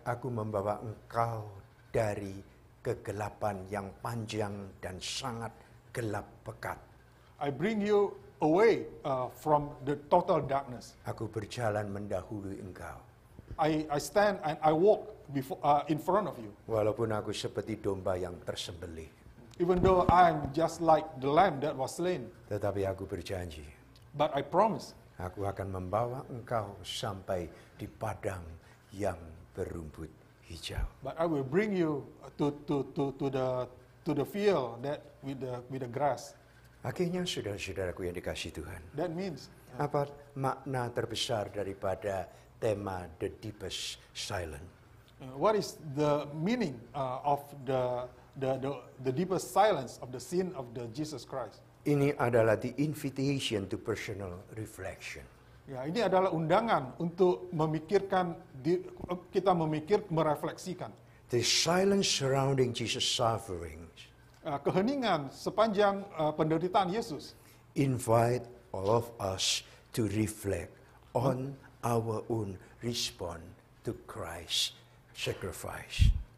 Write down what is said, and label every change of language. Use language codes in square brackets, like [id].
[id] Aku membawa engkau dari kegelapan yang panjang dan sangat gelap pekat. [en] I bring you away from the total darkness. [id] Aku berjalan mendahului engkau. [en] I stand and I walk before in front of you. [id] Walaupun aku seperti domba yang tersembelih. [en] Even though I'm just like the lamb that was slain. [id] Tetapi aku berjanji. [en] But I promise. [id] Aku akan membawa engkau sampai di padang yang berumput hijau. [en] But I will bring you to the field that with the grass. [id] Akhirnya, saudara-saudaraku yang dikasihi Tuhan. [en] That means. [id] Apa makna terbesar daripada tema [en] the deepest silence? What is the meaning of the deepest silence of the sin of the Jesus Christ? [id] Ini adalah [en] the invitation to personal reflection. [id] Ya, ini adalah undangan untuk memikirkan kita merefleksikan. [en] The silence surrounding Jesus' suffering. [id] Keheningan sepanjang penderitaan Yesus. [en] Invite all of us to reflect on our own response to Christ's sacrifice.